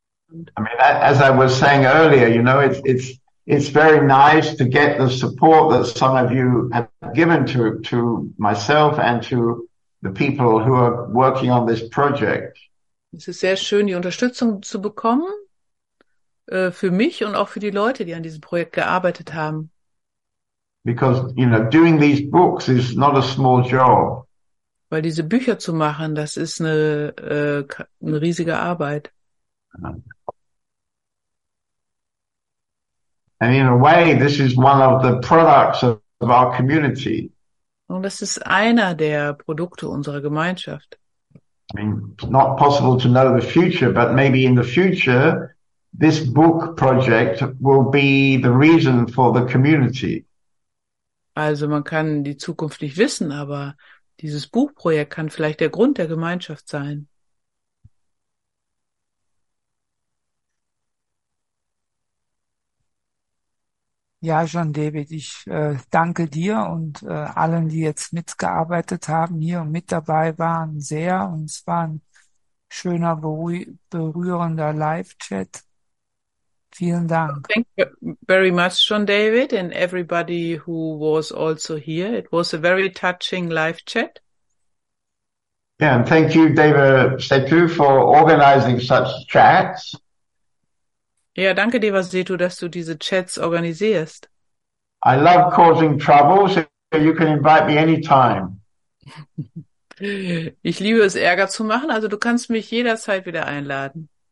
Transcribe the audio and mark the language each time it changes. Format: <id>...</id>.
<en>I mean, as I was saying earlier, you know, it's very nice to get the support that some of you have given to myself and to the people who are working on this project.</en> <de>Es ist sehr schön, die Unterstützung zu bekommen, für mich und auch für die Leute, die an diesem Projekt gearbeitet haben.</de> <en>Because, you know, doing these books is not a small job.</en> <de>Weil diese Bücher zu machen, das ist eine riesige Arbeit.</de> <en>And in a way, this is one of the products of our community.</en> <de>Und das ist einer der Produkte unserer Gemeinschaft.</de> <en>I mean, it's not possible to know the future, but maybe in the future, this book project will be the reason for the community.</en> <de>Also man kann die Zukunft nicht wissen, aber dieses Buchprojekt kann vielleicht der Grund der Gemeinschaft sein. Ja, John David, ich danke dir und allen, die jetzt mitgearbeitet haben hier und mit dabei waren, sehr. Und es war ein schöner, berührender Live-Chat. Vielen Dank.</de> <en>Thank you very much, John David, and everybody who was also here. It was a very touching Live-Chat. Yeah, and thank you, David Setu, for organizing such chats.</en> <de>Ja, danke dir, Vasetu, dass du diese Chats organisierst.</de> <en>I love causing trouble, so you can invite me anytime.</en> <de>Ich liebe es, Ärger zu machen, also du kannst mich jederzeit wieder einladen.</de>